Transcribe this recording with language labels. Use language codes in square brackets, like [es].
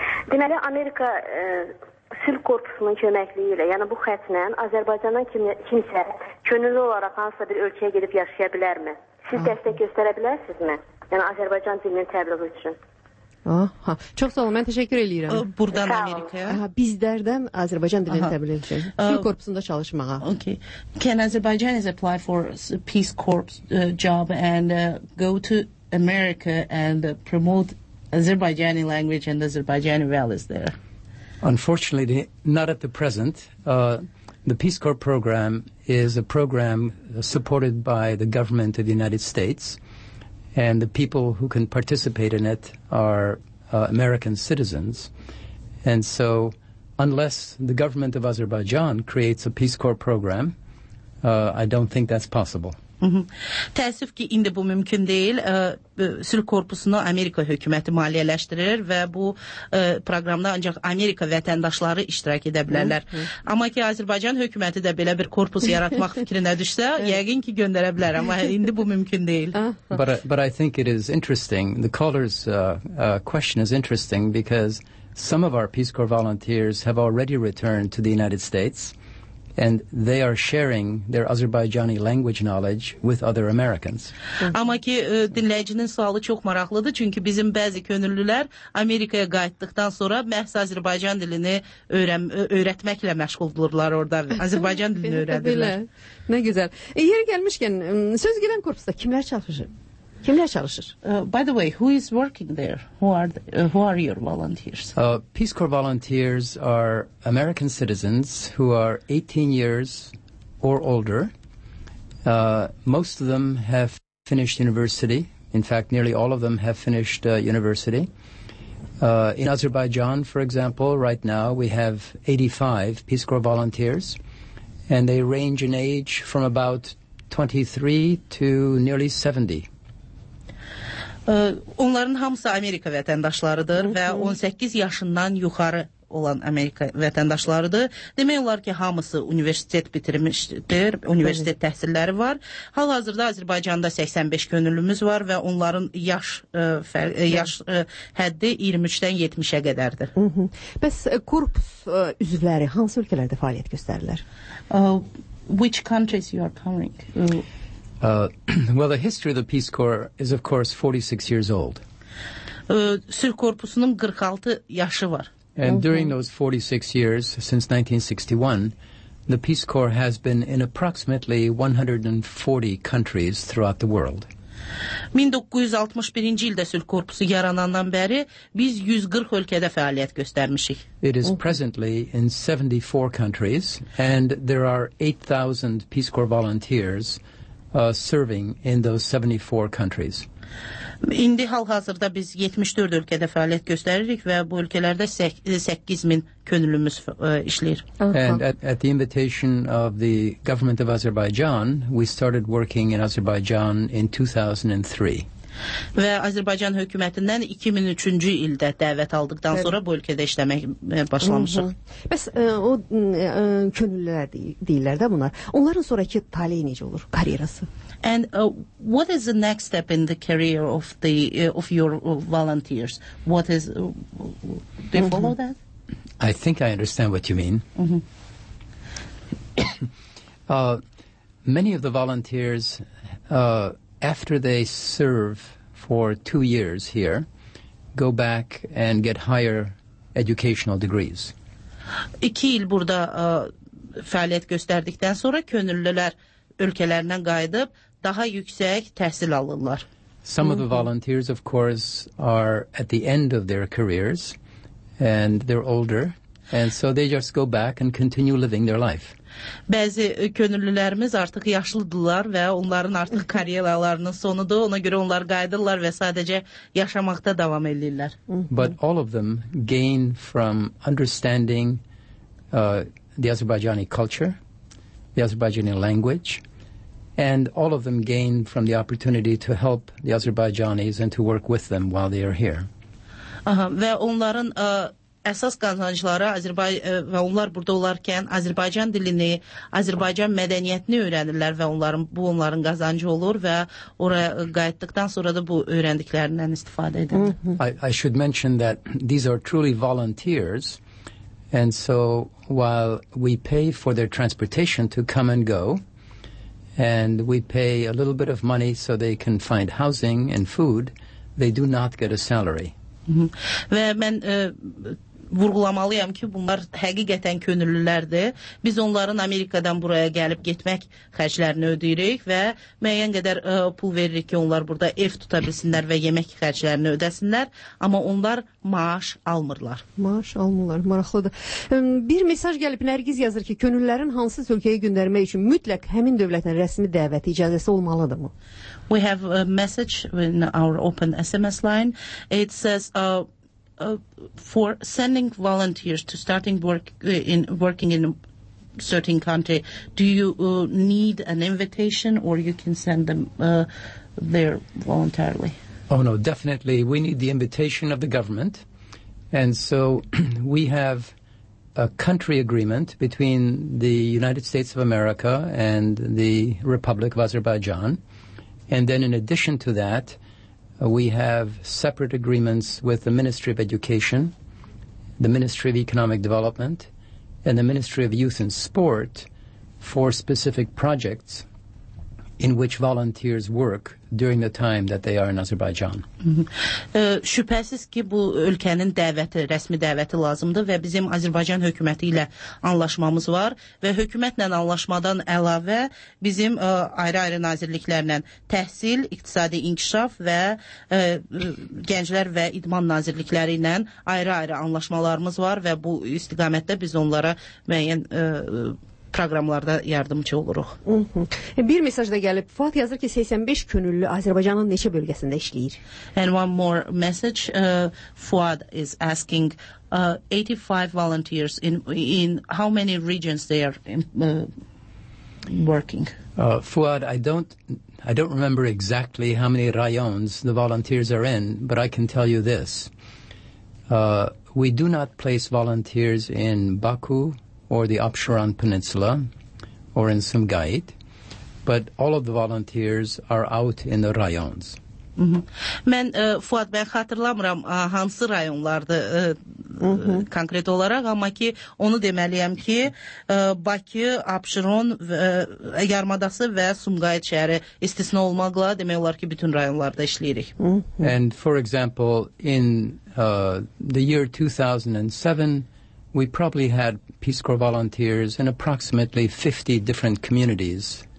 [az] Deməli, Amerika sülh korpusunun köməkliyi ilə, yəni bu xətlə Azərbaycandan kimsə könüllü olaraq hansısa bir ölkəyə gedib yaşaya bilərmi? Siz dəstək göstərə bilərsinizmi? Yəni Azərbaycan dilinin təbliği üçün. Aha, çox sağ olun, mən təşəkkür edirəm. Buradan Amerikaya. Aha, bizlərdən Azərbaycan dilini təbliğ edəcək. Sülh korpusunda çalışmağa. [en] Okay. Can Azerbaijan is apply for peace corps job and go to America and promote Azerbaijani language and Azerbaijani values there? Unfortunately, not at the present. The Peace Corps program is a program supported by the government of the United States. And the people who can participate in it are American citizens. And so unless the government of Azerbaijan creates a Peace Corps program, I don't think that's possible. [az] Təəssüf ki, indi bu mümkün deyil. Sülh korpusunu Amerika hökuməti maliyyələşdirir və bu proqramda ancaq Amerika vətəndaşları iştirak edə bilərlər. Amma ki, Azərbaycan hökuməti də belə bir korpus yaratmaq fikrinə düşsə, yəqin ki, göndərə bilər, amma indi bu mümkün deyil. [en] But I think it is interesting. The caller's question is interesting because some of our Peace Corps volunteers have already returned to the United States. And they are sharing their Azerbaijani language knowledge with other Americans. [az] Amma ki, dinləyicinin sualı çox maraqlıdır, çünki bizim bəzi könüllülər Amerikaya qayıtdıqdan sonra məhz Azerbaycan dilini öyrətməklə məşğuldurlar orada. Azerbaycan dilini öyrədirlər. Nə gözəl. Yeri gəlmişkən, söz gedən korpusda kimlər çalışır? Kimlər çalışır? [en] By the way, who is working there? Who are your volunteers? Peace Corps volunteers are American citizens who are 18 years or older. Most of them have finished university. In fact, nearly all of them have finished university. In Azerbaijan, for example, right now we have 85 Peace Corps volunteers, and they range in age from about 23 to nearly 70. [az] Onların hamısı Amerika vətəndaşlarıdır və 18 yaşından yuxarı olan Amerika vətəndaşlarıdır. Demək olar ki, hamısı universitet bitirmişdir, universitet təhsilləri var. Hal-hazırda Azərbaycanda 85 könüllümüz var və onların yaş həddi 23-dən 70-ə qədərdir. Bəs korpus üzvləri hansı ölkələrdə fəaliyyət göstərirlər? [en] Which countries you are covering? Well, the history of the Peace Corps is, of course, 46 years old. [az] Sülh korpusunun 46 yaşı var. [en] And during those 46 years, since 1961, the Peace Corps has been in approximately 140 countries throughout the world. [az] 1961-ci ildə sülh korpusu yaranandan bəri biz 140 ölkədə fəaliyyət göstərmişik. [en] It is presently in 74 countries, and there are 8,000 Peace Corps volunteers serving in those 74 countries. [az] İndi hal-hazırda biz 74 ölkədə fəaliyyət göstəririk və bu ölkələrdə 8,000 könüllümüz işləyir. [en] And at the invitation of the government of Azerbaijan, we started working in Azerbaijan in 2003. [az] Və Azərbaycan hökumətindən 2003-cü ildə dəvət aldıqdan sonra bu ölkədə işləmək başlamışıq. Bəs o könüllülər deyirlər də bunlar. Onların sonrakı taleyi necə olur, karyerası? [en] And what is the next step in the career of the of your volunteers? What is do you follow that? I think I understand what you mean. Many of the volunteers after they serve for 2 years here, go back and get higher educational degrees. [az] 2 il burada fəaliyyət göstərdikdən sonra könüllülər ölkələrindən qayıdıb daha yüksək təhsil alırlar. [en] Some of the volunteers, of course, are at the end of their careers and they're older, and so they just go back and continue living their life. [az] Bəzi könüllülərimiz artıq yaşlıdırlar və onların artıq karyeralarının sonudur. Ona görə onlar qayıdırlar və sadəcə yaşamaqda davam edirlər. [en] But all of them gain from understanding the Azerbaijani culture, the Azerbaijani language, and all of them gain from the opportunity to help the Azerbaijanis and to work with them while they are here. [az] Və onların əsas qazancları və onlar burada olarkən Azərbaycan dilini, Azərbaycan mədəniyyətini öyrənirlər və bu onların qazancı olur və oraya qayıtdıqdan sonra da bu öyrəndiklərindən istifadə edir. [en] I should mention that these are truly volunteers, and so while we pay for their transportation to come and go, and we pay a little bit of money so they can find housing and food, they do not get a salary. [az] Və mən vurğulamalıyam ki, bunlar həqiqətən könüllülərdir. Biz onların Amerikadan buraya gəlib getmək xərclərini ödəyirik və müəyyən qədər pul veririk ki, onlar burada ev tuta bilsinlər və yemək xərclərini ödəsinlər, amma onlar maaş almırlar. Maaş almırlar, maraqlıdır. Bir mesaj gəlib, Nərgiz yazır ki, könüllülərin hansı ölkəyə göndərmək üçün mütləq həmin dövlətin rəsmi dəvət icazəsi olmalıdır mı? [en] We have a message in our open SMS line. It says, for sending volunteers to starting work in working in a certain country, do you need an invitation, or you can send them there voluntarily? Oh no, definitely we need the invitation of the government, and so we have a country agreement between the United States of America and the Republic of Azerbaijan, and then in addition to that, we have separate agreements with the Ministry of Education, the Ministry of Economic Development, and the Ministry of Youth and Sport for specific projects in which volunteers work during the time that they are in Azerbaijan. [az] Şübhəsiz ki, bu ölkənin dəvəti, rəsmi dəvəti lazımdır və bizim Azərbaycan hökuməti ilə anlaşmamız var və hökumətlə anlaşmadan əlavə bizim ayrı-ayrı nazirliklərlə təhsil, iqtisadi inkişaf və gənclər və idman nazirlikləri ilə ayrı-ayrı anlaşmalarımız var və bu istiqamətdə biz onlara müəyyən proqramlarda yardımcı oluruq. Bir mesaj da gəlib. Fuad yazır ki, 85 könüllü Azərbaycanın neçə bölgəsində işləyir? [en] And one more message. Fuad is asking 85 volunteers in how many regions they are working? Fuad, I don't remember exactly how many rayons the volunteers are in, but I can tell you this. We do not place volunteers in Baku or the Apsheron Peninsula, or in Sumgayit, but all of the volunteers are out in the rayons. [az] Mən Fuad, mən xatırlamıram hansı rayonlardır konkret olaraq, amma ki onu deməliyəm ki Bakı, Apşeron, Yarımadası və Sumqayıt şəhəri istisna olmaqla demək olar ki bütün rayonlarda işləyirik. [en] And for example, in the year 2007, we probably had Peace Corps volunteers in approximately 50 different communities.